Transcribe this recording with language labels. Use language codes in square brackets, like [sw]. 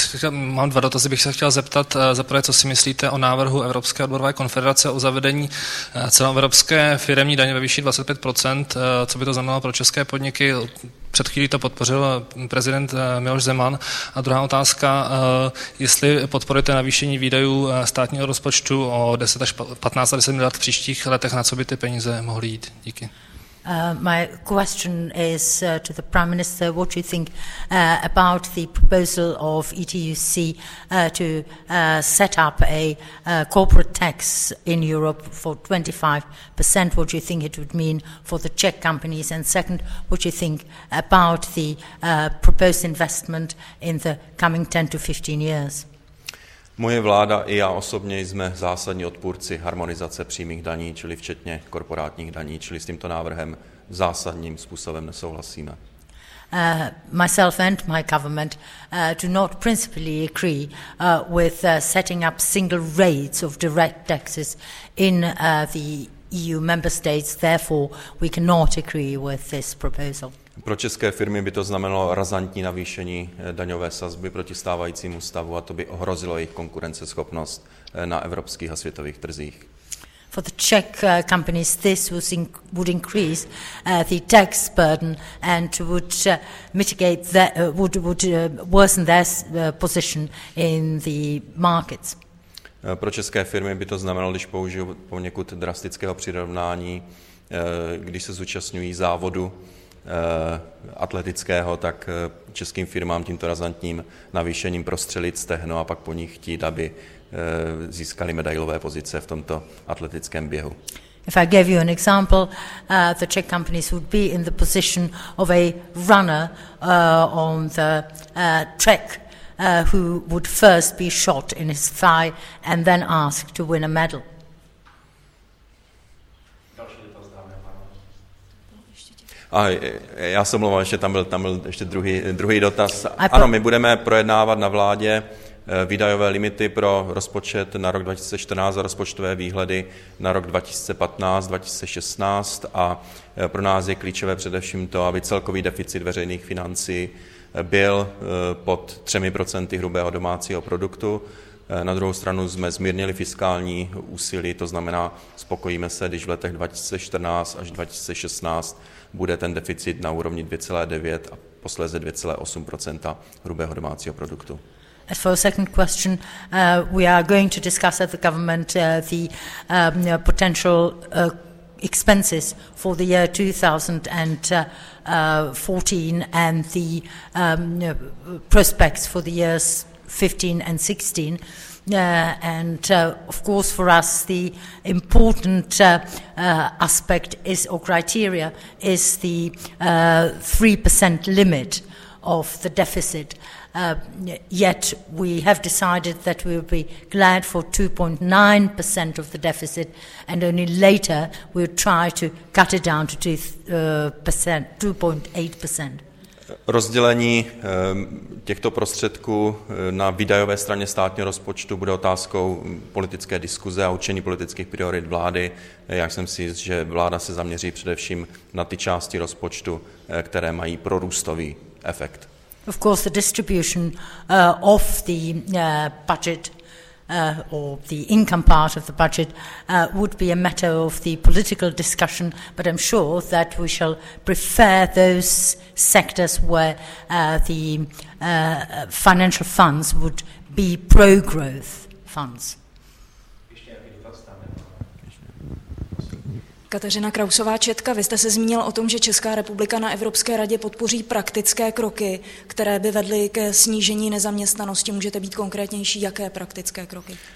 [cs] Mám dva dotazy, bych se chtěl zeptat. Za prvé, co si myslíte o návrhu Evropské odborové konfederace o zavedení celoevropské firemní daně ve výši 25%, co by to znamenalo pro české podniky? Před chvílí to podpořil prezident Miloš Zeman. A druhá otázka, jestli podporujete navýšení výdajů státního rozpočtu o 10 až 10 miliard v příštích letech, na co by ty peníze mohly jít? Díky. [en] My question is to the Prime Minister, what do you think about the proposal of ETUC to set up a corporate tax in Europe for 25%? What do you think it would mean for the Czech companies? And second, what do you think about the proposed investment in the coming 10 to 15 years? [cs] Moje vláda i já osobně jsme zásadní odpůrci harmonizace přímých daní, čili včetně korporátních daní, čili s tímto návrhem zásadním způsobem nesouhlasíme. [en] Myself and my government do not principally agree with setting up single rates of direct taxes in the EU member states, therefore we cannot agree with this proposal. [cs] Pro české firmy by to znamenalo razantní navýšení daňové sazby proti stávajícímu stavu a to by ohrozilo jejich konkurenceschopnost na evropských a světových trzích. [en] For the Czech companies, this would increase the tax burden and would mitigate the, would worsen their position in the markets. [cs] Pro české firmy by to znamenalo, když použiju poněkud drastického přirovnání, když se zúčastňují závodu atletického, tak českým firmám tímto razantním navýšením prostřelit stehno a pak po nich chtít, aby získali medailové pozice v tomto atletickém běhu. [en] If I gave you an example, the Czech companies would be in the position of a runner on the track who would first be shot in his thigh and then asked to win a medal. [cs] A já jsem mluvil, že tam byl ještě druhý dotaz. Ano, my budeme projednávat na vládě výdajové limity pro rozpočet na rok 2014 a rozpočtové výhledy na rok 2015-2016 a pro nás je klíčové především to, aby celkový deficit veřejných financí byl pod 3% hrubého domácího produktu. Na druhou stranu jsme zmírnili fiskální úsilí, to znamená, spokojíme se, když v letech 2014 až 2016 bude ten deficit na úrovni 2,9 a posléze 2,8% hrubého domácího produktu. [en] As for a second question, we are going to discuss at the government the potential expenses for the year 2014 and the prospects for the years 15 and 16. Of course, for us, the important aspect is, or criteria, is the 3% limit of the deficit. Yet we have decided that we would be glad for 2.9% of the deficit, and only later we would try to cut it down to 2.8%. [cs] Rozdělení těchto prostředků na výdajové straně státního rozpočtu bude otázkou politické diskuze a určení politických priorit vlády. Já jsem si jist, že vláda se zaměří především na ty části rozpočtu, které mají prorůstový efekt. [en] Of course, the distribution of the budget or the income part of the budget would be a matter of the political discussion, but I'm sure that we shall prefer those sectors where the financial funds would be pro-growth funds. [cs] Kateřina Krausová Četka, vy jste se zmínil o tom, že Česká republika na Evropské radě podpoří praktické kroky, které by vedly ke snížení nezaměstnanosti. Můžete být konkrétnější, jaké praktické kroky?